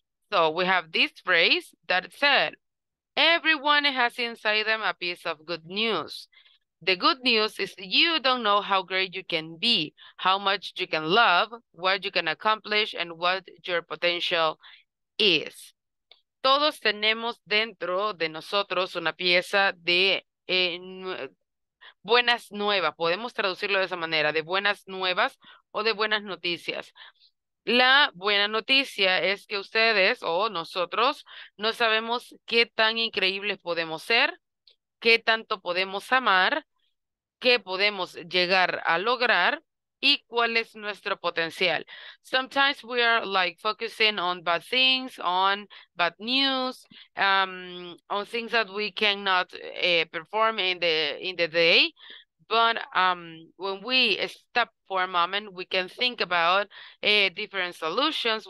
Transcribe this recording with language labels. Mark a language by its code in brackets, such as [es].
[en] So we have this phrase that said, everyone has inside them a piece of good news. The good news is you don't know how great you can be, how much you can love, what you can accomplish, and what your potential is. [es] Todos tenemos dentro de nosotros una pieza de buenas nuevas. Podemos traducirlo de esa manera, de buenas nuevas o de buenas noticias. La buena noticia es que ustedes o nosotros no sabemos qué tan increíbles podemos ser, qué tanto podemos amar, qué podemos llegar a lograr y cuál es nuestro potencial. [en] Sometimes we are like focusing on bad things, on bad news, on things that we cannot perform in the day. But when we stop for a moment, we can think about different solutions.